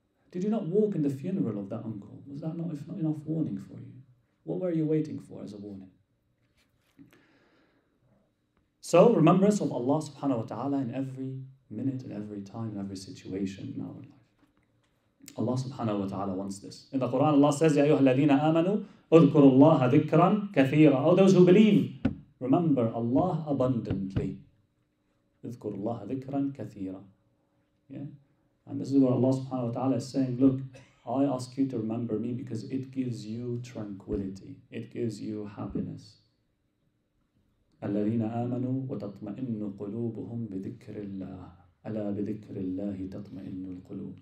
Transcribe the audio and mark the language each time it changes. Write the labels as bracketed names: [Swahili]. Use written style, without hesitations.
[English] Did you not walk in the funeral of that uncle? Was that not enough warning for you? What were you waiting for as a warning? So, remembrance of Allah subhanahu wa ta'ala in every minute, in every time, in every situation in our life. Allah subhanahu wa ta'ala wants this. In the Quran, Allah says, [Arabic] يَا أَيُّهَا الَّذِينَ آمَنُوا اُذْكُرُوا اللَّهَ ذِكْرًا كَثِيرًا. [English] Oh, those who believe, remember Allah abundantly. [Arabic] اذْكُرُوا اللَّهَ ذِكْرًا كَثِيرًا. Yeah? [English] And this is where Allah subhanahu wa ta'ala is saying, look, I ask you to remember me because it gives you tranquility. It gives you happiness. [Arabic] الَّذِينَ آمَنُوا وَتَطْمَئِنُّ قُلُوبُهُمْ بِذِكْرِ اللَّهِ أَلَا بِذِكْرِ اللَّهِ تَطْمَئِنُّ الْقُلُوبُ.